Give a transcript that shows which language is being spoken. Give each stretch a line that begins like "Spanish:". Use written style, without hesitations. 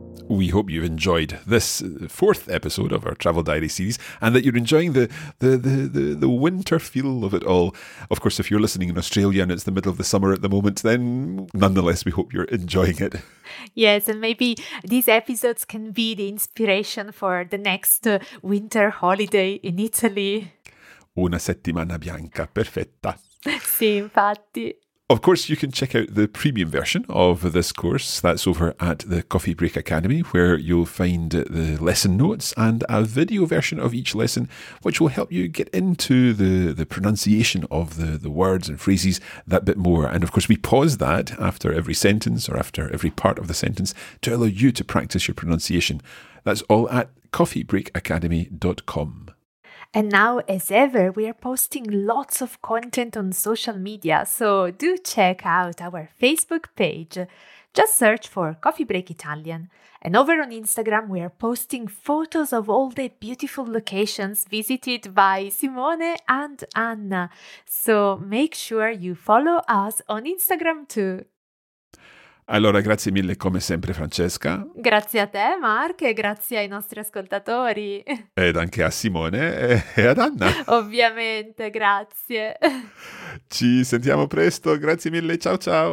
English: We hope you've enjoyed this fourth episode of our Travel Diary series and that you're enjoying the winter feel of it all. Of course, if you're listening in Australia and it's the middle of the summer at the moment, then nonetheless, we hope you're enjoying it. Yes, and maybe these episodes can be the inspiration for the next winter holiday in Italy.
Italian: Una settimana bianca, perfetta. Sì, infatti.
English: Of course, you can check out the premium version of this course. That's over at the Coffee Break Academy, where you'll find the lesson notes and a video version of each lesson, which will help you get into the pronunciation of the words and phrases that bit more. And of course, we pause that after every sentence or after every part of the sentence to allow you to practice your pronunciation. That's all at coffeebreakacademy.com. And now, as ever, we are posting lots of content on social media, so do check out our Facebook page. Just search for Coffee Break Italian. And over on Instagram, we are posting photos of all the beautiful locations visited by Simone and Anna. So make sure you follow us on Instagram too.
Italian: Allora, grazie mille come sempre, Francesca. Grazie a te, Mark, e grazie ai nostri ascoltatori. Ed anche a Simone e ad Anna. Ovviamente, grazie. Ci sentiamo presto, grazie mille, ciao ciao.